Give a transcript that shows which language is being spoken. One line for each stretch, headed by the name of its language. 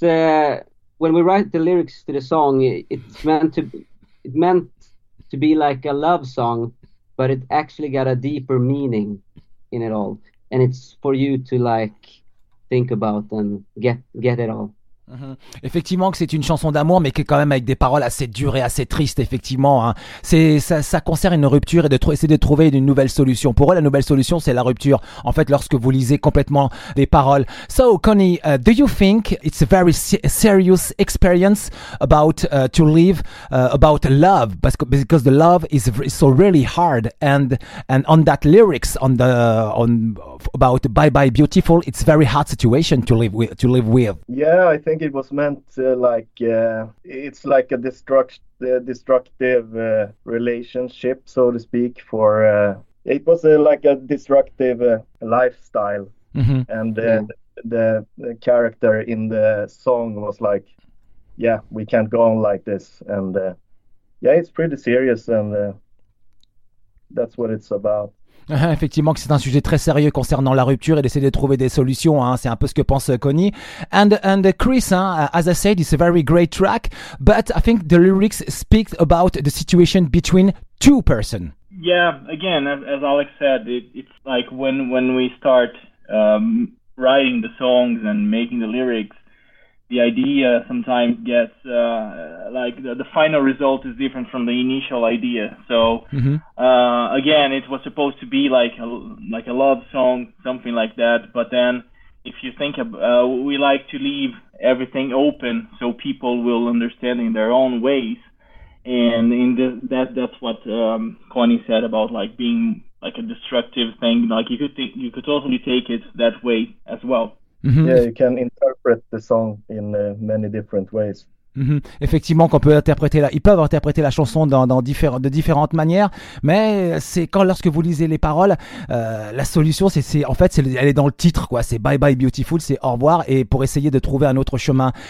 English: when we write the lyrics to the song, it meant to be like a love song, but it actually got a deeper meaning in it all, and it's for you to like think about and get it all.
French: Effectivement que c'est une chanson d'amour, mais qui est quand même avec des paroles assez dures et assez tristes, effectivement, hein. Ça concerne une rupture et essayer de trouver une nouvelle solution. Pour eux, la nouvelle solution, c'est la rupture, en fait, lorsque vous lisez complètement les paroles.
English: So, Connie, do you think it's a very serious experience about to live about love? Because the love is so really hard, and on that lyrics on about Bye Bye Beautiful, it's a very hard situation to live with. Yeah, I think it was meant it's like a destructive relationship, so to speak. For it was like a destructive lifestyle, mm-hmm. And the character in the song was like, "Yeah, we can't go on like this." And it's pretty serious, and that's what it's about.
French: Effectivement que c'est un sujet très sérieux concernant la rupture et d'essayer de trouver des solutions, hein. C'est un peu ce que pense Connie.
English: And Chris, hein, as I said, it's a very great track, but I think the lyrics speak about the situation between two persons. Yeah, again, as Alex said, it's like when we start writing the songs and making the lyrics, the idea sometimes gets like the final result is different from the initial idea. So again, it was supposed to be like a love song, something like that. But then, if you think about, we like to leave everything open so people will understand in their own ways. And in this, that's what Connie said about like being like a destructive thing. Like you could think, you could totally take it that way as well. Mm-hmm. Yeah, you can interpret the song in many different ways. Mm-hmm.
French: Effectivement, qu'on peut interpréter là, ils peuvent interpréter la chanson de différentes manières, mais c'est quand lorsque vous lisez les paroles, la solution, c'est elle est dans le titre, quoi. C'est Bye Bye Beautiful, c'est au revoir, et pour essayer de trouver un autre chemin.